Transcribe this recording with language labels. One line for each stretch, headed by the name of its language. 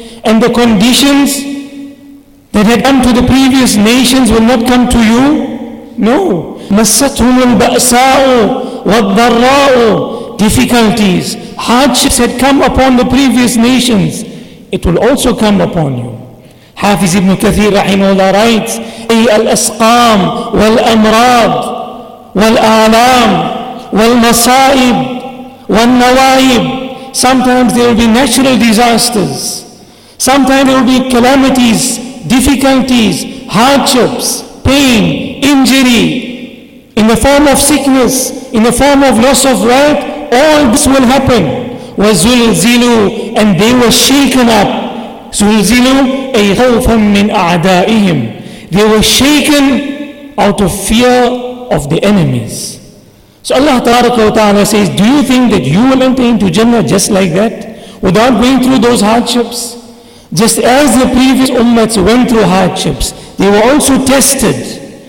English: And the conditions that had come to the previous nations will not come to you? No.
Arabic: مَسَّتْهُمُ الْبَأْسَاءُ وَالضَّرَّاءُ.
English: Difficulties, hardships had come upon the previous nations. It will also come upon you. Hafiz ibn Kathir rahimahullah writes,
Arabic: أي الأسقام والأمراض والآلام والمصائب والنوائب.
English: Sometimes there will be natural disasters. Sometimes there will be calamities, difficulties, hardships, pain, injury, in the form of sickness, in the form of loss of wealth. All this will happen.
Arabic: وَزُلْزِلُوا.
English: And they were shaken up.
Arabic: زُلْزِلُوا أي خَوْفًا مِّنْ أَعْدَائِهِمْ.
English: They were shaken out of fear of the enemies. So Allah Ta'ala says, do you think that you will enter into Jannah just like that, without going through those hardships? Just as the previous ummahs went through hardships, they were also tested.